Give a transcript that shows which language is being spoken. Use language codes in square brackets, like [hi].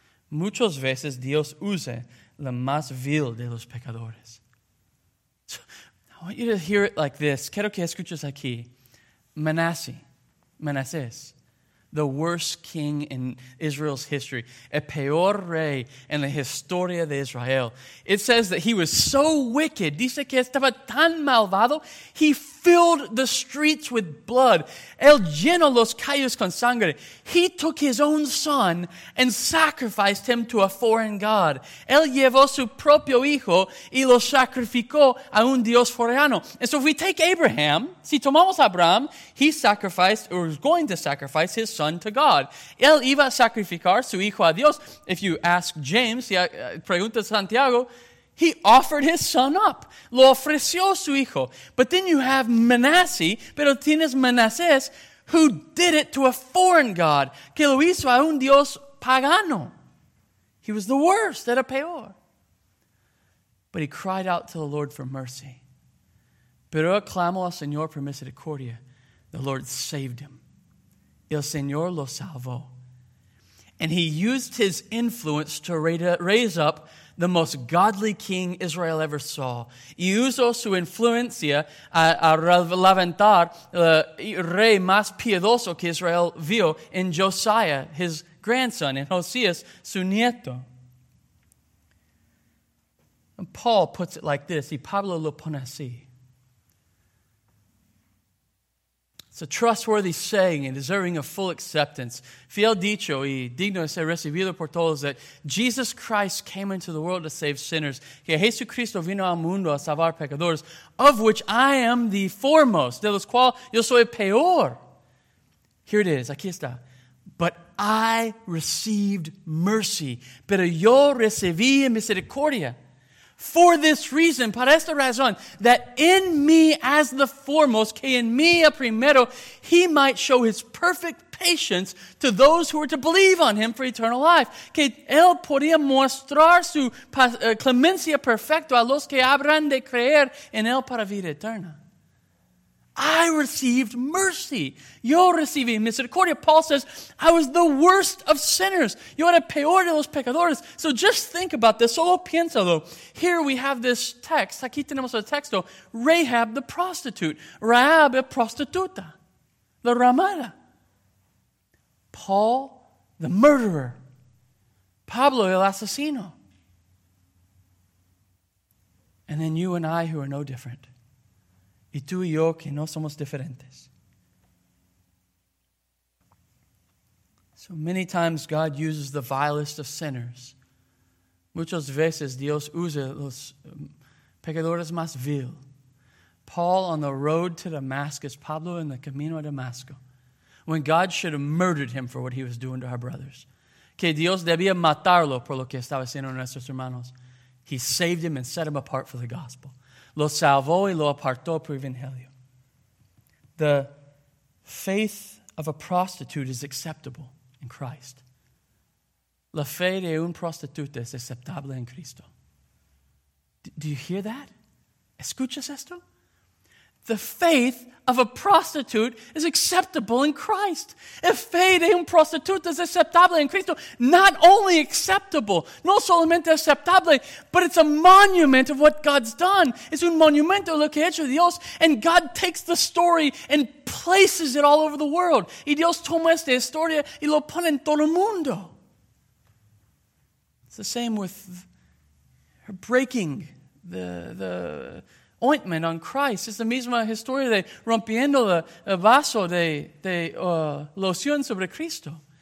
[es] Muchas veces, Dios usa la más vil de los pecadores. [en] So, I want you to hear it like this. [es] Quiero que escuches aquí. [en] Manasés, the worst king in Israel's history, [es] el peor rey en la historia de Israel. [en] It says that he was so wicked. [es] Dice que estaba tan malvado, [en] he filled the streets with blood. [es] Él llenó los calles con sangre. [en] He took his own son and sacrificed him to a foreign god. [es] Él llevó su propio hijo y lo sacrificó a un dios foráneo. [en] And so if we take Abraham, [es] si tomamos Abraham, [en] he sacrificed or was going to sacrifice his son to God. [es] Él iba a sacrificar su hijo a Dios. [en] If you ask James, [es] pregunta Santiago, [en] he offered his son up. [es] Lo ofreció su hijo. [en] But then you have Manasseh, [es] pero tienes Manasés, [en] who did it to a foreign god, [es] que lo hizo a un dios pagano. [en] He was the worst, [es] era peor. [en] But he cried out to the Lord for mercy. [es] Pero clamó al Señor por misericordia. [en] The Lord saved him. [es] El Señor lo salvó. [en] And he used his influence to raise up the most godly king Israel ever saw. [es] Y usó su influencia a levantar el rey más piedoso que Israel vio en Josiah, [en] his grandson, [es] en Josías, su nieto. [en] And Paul puts it like this, [es] y Pablo lo pone así. [en] It's a trustworthy saying and deserving of full acceptance. [es] Fiel dicho y digno de ser recibido por todos [en] that Jesus Christ came into the world to save sinners. [es] Que Jesucristo vino al mundo a salvar pecadores, [en] of which I am the foremost. [es] De los cuales yo soy el peor. [en] Here it is. [es] Aquí está. [en] But I received mercy. [es] Pero yo recibí misericordia. [en] For this reason, [es] para esta razón, [en] that in me as the foremost, [es] que en mí el primero, [en] he might show his perfect patience to those who were to believe on him for eternal life. [es] Que él podía mostrar su clemencia perfecta a los que habrán de creer en él para vida eterna. [en] I received mercy. [es] Yo recibí misericordia. [en] Paul says, I was the worst of sinners. [es] Yo era peor de los pecadores. [en] So just think about this. [es] Solo piénsalo. [en] Here we have this text. [es] Aquí tenemos el texto. [en] Rahab the prostitute. [es] Rahab la prostituta. La ramada. [en] Paul the murderer. [es] Pablo el asesino. [en] And then you and I who are no different. [es] y tú y yo que no somos diferentes. [en] So many times God uses the vilest of sinners. [es] Muchas veces Dios usa los pecadores más vil. [en] Paul on the road to Damascus, [es] Pablo en el camino a Damasco, [en] when God should have murdered him for what he was doing to our brothers. [es] Que Dios debía matarlo por lo que estaba haciendo a nuestros hermanos. [en] He saved him and set him apart for the gospel. [es] Lo salvó y lo apartó por el evangelio. [en] The faith of a prostitute is acceptable in Christ. [es] La fe de un prostituta es aceptable en Cristo. [en] Do you hear that? [es] ¿Escuchas esto? [en] The faith of a prostitute is acceptable in Christ. [es] El fe de un prostituta es aceptable en Cristo. [en] Not only acceptable, [es] no solamente aceptable, [en] but it's a monument of what God's done. [es] Es un monumento de lo que ha hecho Dios. [en] And God takes the story and places it all over the world. [es] Y Dios toma esta historia y lo pone en todo el mundo. [en] It's the same with her breaking the ointment on Christ. [es] Es la misma historia de rompiendo el vaso de loción sobre Cristo.